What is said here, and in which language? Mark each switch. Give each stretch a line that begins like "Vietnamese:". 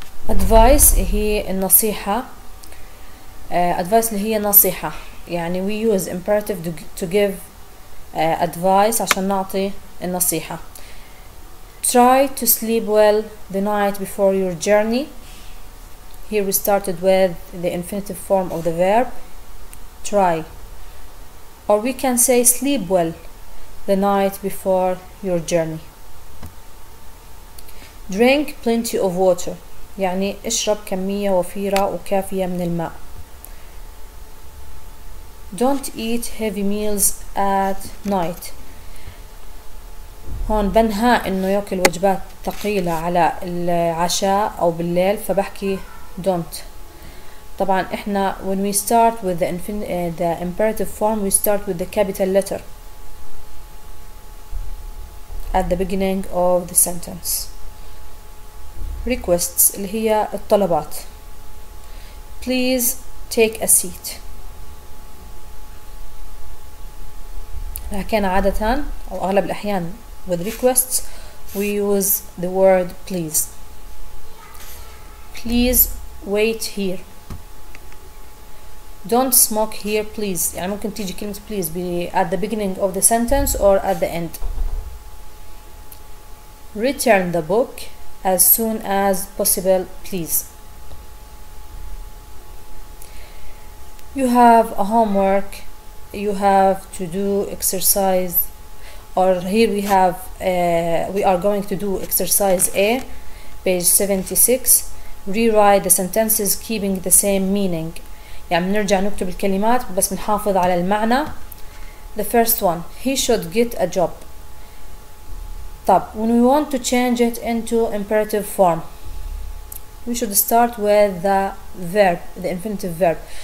Arabic: Advice هي النصيحة، advice اللي هي نصيحة، يعني
English: we use imperative to give advice
Arabic: عشان نعطي النصيحة.
English: Try to sleep well the night before your journey. Here we started with the infinitive form of the verb try. Or we can say sleep well the night before your journey. Drink plenty of water.
Arabic: يعني اشرب كمية وفيرة وكافية من الماء.
English: Don't eat heavy meals at night.
Arabic: هون بنهى انه ياكل وجبات ثقيلة على العشاء او بالليل، فبحكي don't. طبعا احنا
English: when we start with the imperative form we start with the capital letter at the beginning of the sentence. Requests
Arabic: اللي هي الطلبات.
English: Please take a seat.
Arabic: لكن عادة أو أغلب الأحيان
English: with requests we use the word please. Please wait here. Don't smoke here please.
Arabic: يعني ممكن تيجي كلمة
English: please be at the beginning of the sentence or at the end. Return the book as soon as possible please. You have a homework. You have to do exercise, or here we have we are going to do exercise A, page 76. Rewrite the sentences keeping the same meaning.
Arabic: يعني بنرجع نكتب الكلمات بس بنحافظ على المعنى.
English: The first one, he should get a job. طب when we want to change it into imperative form we should start with the verb, the infinitive verb.